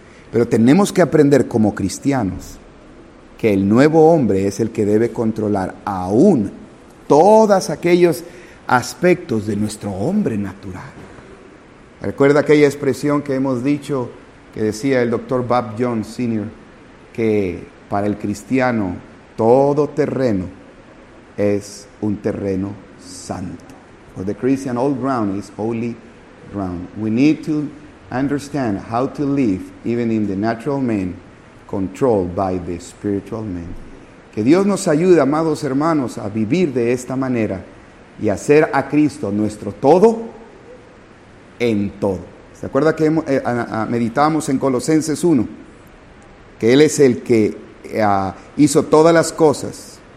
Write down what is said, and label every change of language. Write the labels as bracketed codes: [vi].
[es] Pero tenemos que aprender como cristianos que el nuevo hombre es el que debe controlar aún todos aquellos aspectos de nuestro hombre natural. Recuerda aquella expresión que hemos dicho, que decía el doctor Bob Jones Sr., que para el cristiano todo terreno es un terreno santo. [en] For the Christian, all ground is holy ground. We need to understand how to live even in the natural man, controlled by the spiritual man. [es] Que Dios nos ayude, amados hermanos, a vivir de esta manera y hacer a Cristo nuestro todo en todo. ¿Se acuerda que meditamos en Colosenses 1? Que Él es el que hizo todas las cosas.